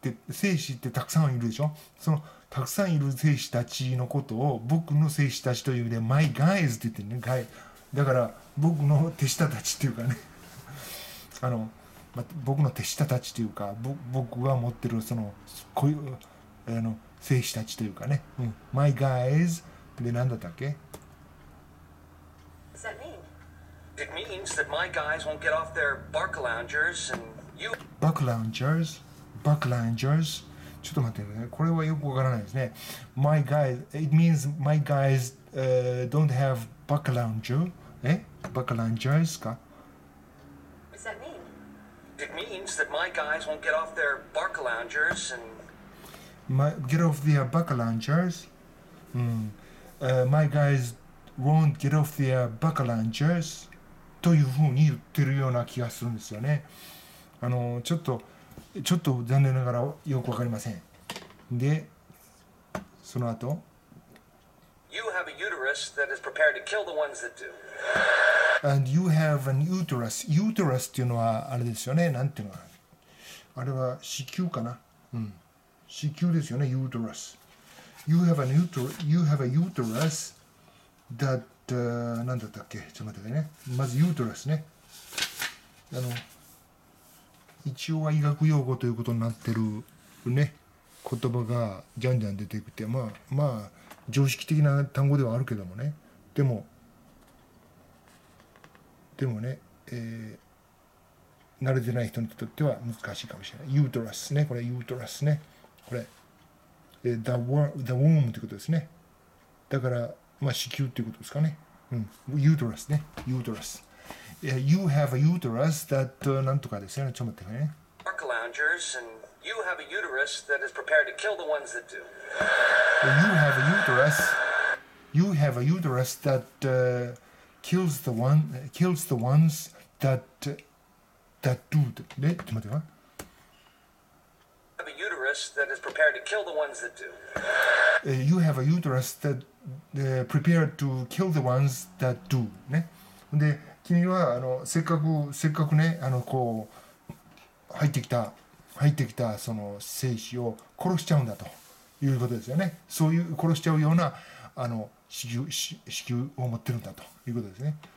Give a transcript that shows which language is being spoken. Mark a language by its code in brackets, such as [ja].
[ja] 精子ってたくさんいるでしょ。そのたくさんいる精子たちのことを僕の精子たちという意味で [en] My guys [ja] って言ってるね。だから僕の手下たちっていうかね、あの、ま、僕の手下たちというか、僕が持ってるそのこういうあの精子たちというかね、うん、 [en] My guys [ja] で何だったっけ。 [en] What does that mean? It means that my guys won't get off their bark loungers and Backlangers. [ja] ちょっと待ってね。これはよくわからないですね。 [en] My guys, it means my guys、don't have backlounger. [ja] え ?Backlangers か [en] What does that mean? It means that my guys won't get off their backlangers and... get off their backlangers?、my guys won't get off their backlangers? [ja] というふうに言ってるような気がするんですよね。あのちょっと残念ながらよくわかりません。で、その後 [en] You have a uterus that is prepared to kill the ones that do. And you have an uterus. Uterus [ja] っていうのはあれですよね。なんていうのかな。あれは子宮かな。うん。子宮ですよね。Uterus. [en] You have an uterus. You have a uterus that、 [ja] なんだったっけ。ちょっと待ってね。まず uterus ね。あの一応は医学用語ということになってるね、言葉がじゃんじゃん出てきて、まあまあ常識的な単語ではあるけどもね、でもね、慣れてない人にとっては難しいかもしれない。ユートラスね、これユートラスね、これ、 [en] the womb [ja] ってことですね。だからまあ子宮っていうことですかね。うん、ユートラスね、ユートラス。 [en] You have a uterus that [ja] なんとかですよね。ちょっと待ってね。 [en] Bark loungers and you have a uterus that is prepared to kill the ones that do. You have a uterus. You have a uterus that kills the ones that do. [ja] ね、ちょっと待ってね。 Have a uterus that is prepared to kill the ones that do. You have a uterus that prepared to kill the ones that do. ね。で君はあのせっかくねあのこう入ってきたその精子を殺しちゃうんだということですよね。そういう殺しちゃうようなあの子宮を持ってるんだということですね。